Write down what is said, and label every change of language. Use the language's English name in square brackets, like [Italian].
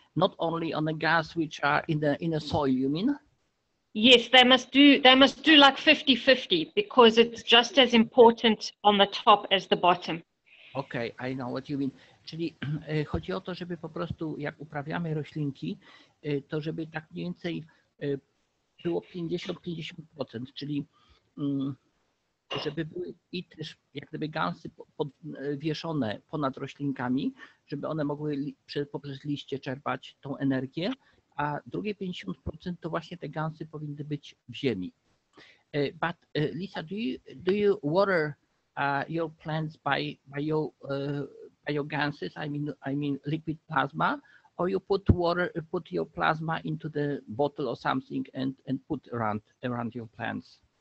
[English] Not only on the gas which are in the soil, you mean? Yes, they must do like 50-50, because it's just as important on the top as the bottom. Okay, I know what you mean. [Polish] Czyli chodzi o to, żeby po prostu jak uprawiamy roślinki, to żeby tak mniej więcej było 50-50%, czyli żeby były i też jak gdyby gansy podwieszone ponad roślinkami, żeby one mogły poprzez liście czerpać tą energię, a drugie 50% to właśnie te gansy powinny być w ziemi. [English] But Lisa, do you water your plants by your ganses? I mean liquid plasma, or you put your plasma into the bottle or something and put around your plants?